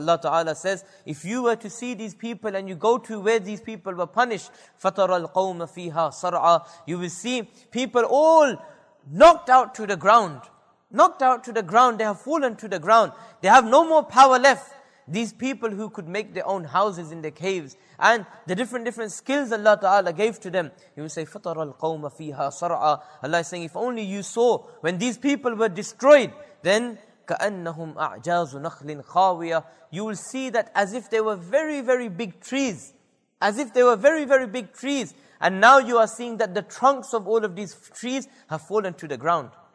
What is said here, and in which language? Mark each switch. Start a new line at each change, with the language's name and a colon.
English: Allah Ta'ala says, if you were to see these people and you go to where these people were punished,
Arabic: فَتَرَى الْقَوْمَ فِيهَا صَرْعًا,
English: you will see people all knocked out to the ground. Knocked out to the ground. They have fallen to the ground. They have no more power left. these people who could make their own houses in their caves and the different skills Allah Ta'ala gave to them. He would say,
Arabic: فَطَرَ الْقَوْمَ فِيهَا صَرْعَى.
English: Allah is saying, if only you saw when these people were destroyed, then
Arabic: كَأَنَّهُمْ أَعْجَازُ نَخْلٍ خَاوِيَةٍ.
English: You will see that as if they were very, very big trees. As if they were very, very big trees. And now you are seeing that the trunks of all of these trees have fallen to the ground.